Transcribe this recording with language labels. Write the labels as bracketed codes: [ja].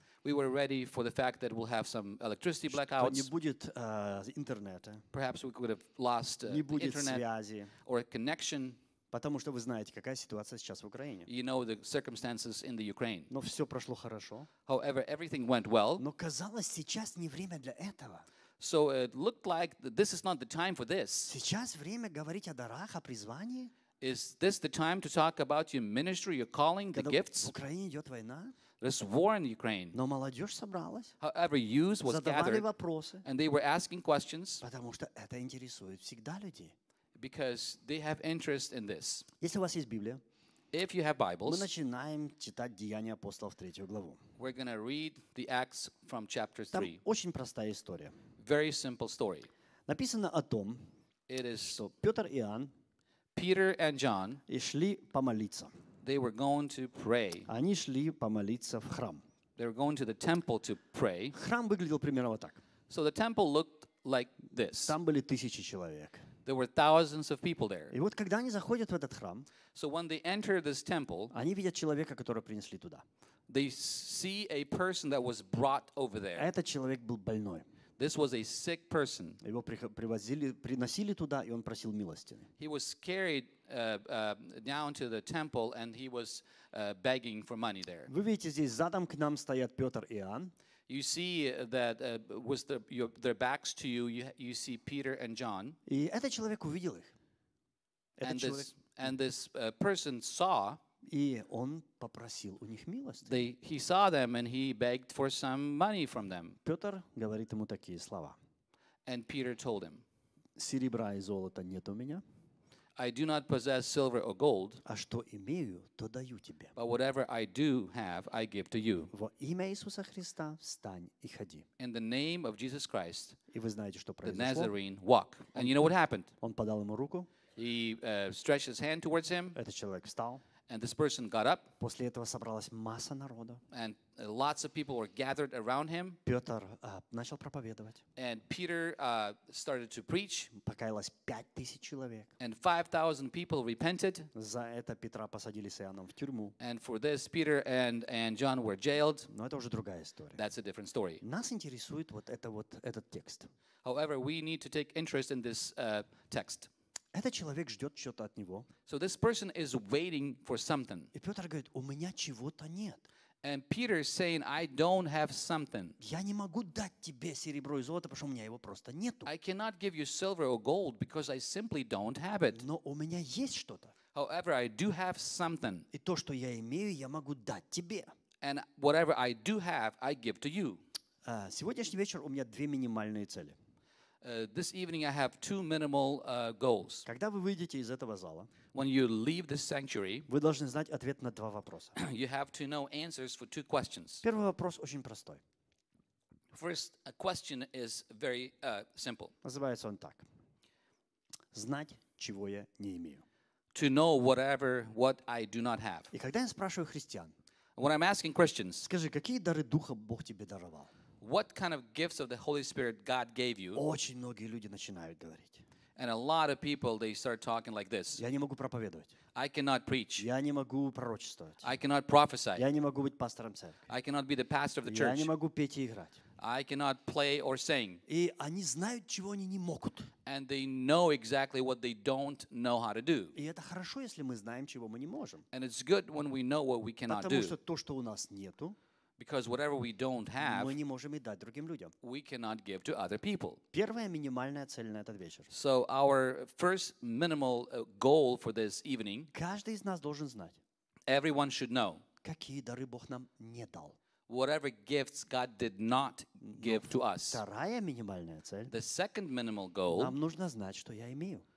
[en] We were ready for the fact that we'll have some electricity blackouts. [ru] Что не будет интернета. [en] Perhaps we could have lost [ru] не будет [en] internet [ru] связи. [en] Or a connection. [ru] Потому что вы знаете, какая ситуация сейчас в Украине. [en] You know the circumstances in the Ukraine. [ru] Но все прошло хорошо. [en] However, everything went well. [ru] Но казалось, сейчас не время для этого. [en] So it looked like this is not the time for this. [ru] Сейчас время говорить о дарах, о призвании. [en] Is this the time to talk about your ministry, your calling, the gifts? [ru] В Украине идет война. [en] There's war in Ukraine. [ru] Но молодежь собралась. [en] However, youth was [ru] задавали Задавали вопросы. [en] And they were asking questions. [ru] Потому что это интересует всегда людей. [en] Because they have interest in this. [ru] Если у вас есть Библия, [en] if you have Bibles, [ru] мы начинаем читать Деяния апостолов 3 главу. [en] We're going to read the Acts from chapter 3. [ru] Там очень простая история. [en] Very simple story. [ru] Написано о том, что Петр и Иоанн, [en] Peter and John, [ru] и шли помолиться. [en] They were going to pray. [ru] Они шли помолиться в храм. [en] They were going to the temple to pray. [ru] Храм выглядел примерно вот так. [en] So the temple looked like this. [ru] Там были тысячи человек. [en] There were thousands of people there. [ru] И вот когда они заходят в этот храм, [en] so when they enter this temple, [ru] они видят человека, которого принесли туда. [en] They see a person that was brought over there. [ru] Этот человек был больной. [en] This was a sick person. [ru] Его приносили туда, и он просил милостыни. [en] He was carried down to the temple, and he was begging for money there. [ru] Вы видите, здесь задом к нам стоят Петр и Иоанн. [en] You see that with their backs to you, you see Peter and John. [ru] И этот человек увидел их. [en] And this person saw. [ru] И он попросил у них милости. [en] He saw them and he begged for some money from them. [ru] Петр говорит ему такие слова. [en] And Peter told him, [ru] серебра и золота нет у меня. [en] I do not possess silver or gold. [ru] А что имею, то даю тебе. [en] But whatever I do have, I give to you. [ru] Во имя Иисуса Христа встань и ходи. [en] In the name of Jesus Christ. [ru] И вы знаете, что произошло? [en] The Nazarene walk. And you know what happened? [ru] Он подал ему руку. [en] He stretched his hand towards him. [ru] Этот человек встал. [en] And this person got up. [ru] После этого собралась масса народа. [en] And lots of people were gathered around him. [ru] Петр начал проповедовать. [en] And Peter started to preach. [ru] Покаялось 5,000 человек. [en] And 5,000 people repented. [ru] За это Петра посадили с Иоанном в тюрьму. [en] And for this, Peter and John were jailed. [ru] Но это уже другая история. [en] That's a different story. [ru] Нас интересует вот это вот этот текст. [en] However, we need to take interest in this text. [ru] Этот человек ждет что-то от него. [en] So this person is waiting for something. [ru] И Петр говорит, у меня чего-то нет. [en] And Peter is saying, I don't have something. [ru] Я не могу дать тебе серебро и золото, потому что у меня его просто нету. [en] I cannot give you silver or gold because I simply don't have it. [ru] Но у меня есть что-то. [en] However, I do have something. [ru] И то, что я имею, я могу дать тебе. [en] And whatever I do have, I give to you. [ru] Сегодняшний вечер у меня две минимальные цели. [en] This evening I have two minimal goals. [ru] Когда вы выйдете из этого зала, [en] when you leave this sanctuary, [ru] вы должны знать ответ на два вопроса. [en] You have to know answers for two questions. [ru] Первый вопрос очень простой. [en] First, a question is very simple. [ru] Называется он так. Знать, чего я не имею. [en] To know whatever what I do not have. [ru] И когда я спрашиваю христиан, [en] when I'm asking Christians, [ru] скажи, какие дары Духа Бог тебе даровал? [en] What kind of gifts of the Holy Spirit God gave you? [ru] Очень многие люди начинают говорить. [en] And a lot of people, they start talking like this. [ru] Я не могу проповедовать. [en] I cannot preach. [ru] Я не могу пророчествовать. [en] I cannot prophesy. [ru] Я не могу быть пастором церкви. [en] I cannot be the pastor of the church. [ru] Я не могу петь и играть. [en] I cannot play or sing. [ru] И они знают, чего они не могут. [en] And they know exactly what they don't know how to do. [ru] И это хорошо, если мы знаем, чего мы не можем. [en] And it's good when we know what we cannot do. [ru] Потому что то, что у нас нету, [en] because whatever we don't have, [ru] мы не можем и дать другим людям. [en] We cannot give to other people. [ru] Первая минимальная цель на этот вечер. [en] So our first minimal goal for this evening. [ru] Каждый из нас должен знать. [en] Everyone should know. [ru] Какие дары Бог нам не дал. [en] Whatever gifts God did not give to us. [ru] Вторая минимальная цель. [en] The second minimal goal. [ru] Нам нужно знать, что я имею.